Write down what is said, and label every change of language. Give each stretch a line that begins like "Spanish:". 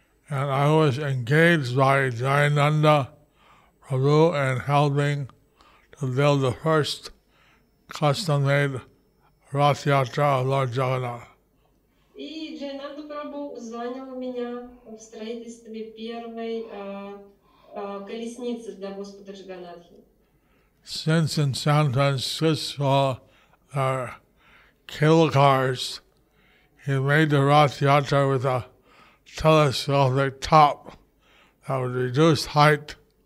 English: And I was engaged by Jayananda Prabhu in helping to build the first custom-made Rath Yatra of Lord Jagannath.
Russian: И Джайнанда Прабху звонил меня в строительстве первой колесницы для Господа Джаганатхи.
English: Since in San Francisco there are cable cars, he made the Rath Yatra with a telescopic top that would reduce height.